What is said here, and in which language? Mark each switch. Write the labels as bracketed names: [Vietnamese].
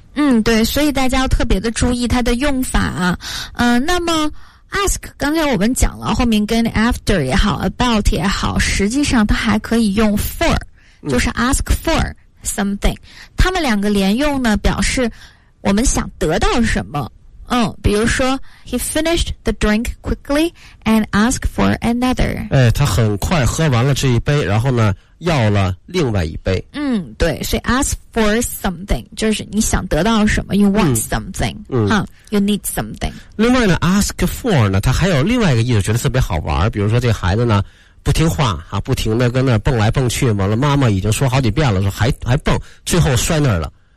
[Chinese] 嗯，对，所以大家要特别的注意他的用法啊。嗯、那么 ask 刚才我们讲了，后面跟 after 也好 ，about 也好，实际上它还可以用 for， 就是 [English] ask for something。 [Chinese] 他、嗯、们两个连用呢，表示我们想得到什么。嗯，比如说 [English] he finished the drink quickly and asked for another。 [Chinese] 哎，他很快喝完了这一杯，然后呢要了另外一杯。嗯，对，所以 [English] ask for something [Chinese] 就是你想得到什么， [English] you want something、嗯、 huh, you need something。 [Chinese] 另外呢 ask for 呢他还有另外一个意思，觉得特别好玩。比如说这孩子呢不听话啊，不停的跟那蹦来蹦去，完了妈妈已经说好几遍了，说还蹦，最后摔那儿了，